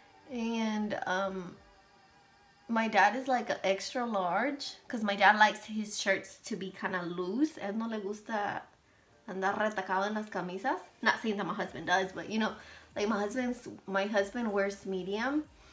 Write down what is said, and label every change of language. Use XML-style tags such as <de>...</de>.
<en>And my dad is like extra large, because my dad likes his shirts to be kind of loose.</en> <es>Él no le gusta andar retacado en las camisas.</es> <en>Not saying that my husband does, but you know, like my husband wears medium.</en>